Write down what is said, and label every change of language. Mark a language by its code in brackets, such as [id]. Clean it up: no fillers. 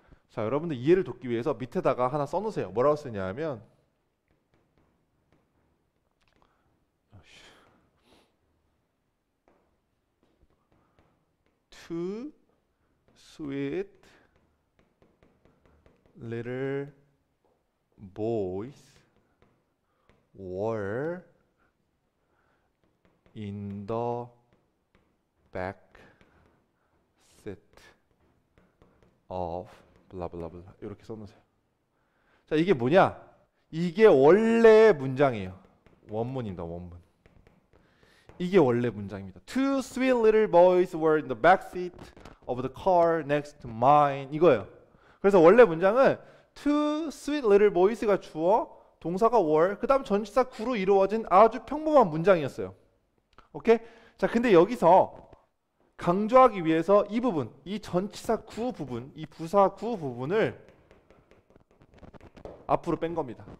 [ko] 자, 여러분들 이해를 돕기 위해서 밑에다가 하나 써놓으세요. 뭐라고 쓰냐면, 투, 스윗, 리틀, 보이스. [en] Were in the back seat of 블라블라블라. [ko] 이렇게 써놓으세요. 자, 이게 뭐냐? 이게 원래 문장이에요. 원문입니다, 원문. 이게 원래 문장입니다. [en] Two sweet little boys were in the back seat of the car next to mine. [ko] 이거예요. 그래서 원래 문장은 Two sweet little boys 가 주어, 동사가 were, 그 다음 전치사 구로 이루어진 아주 평범한 문장이었어요. 오케이? 자, 근데 여기서 강조하기 위해서 이 부분, 이 전치사 구 부분, 이 부사 구 부분을 앞으로 뺀 겁니다.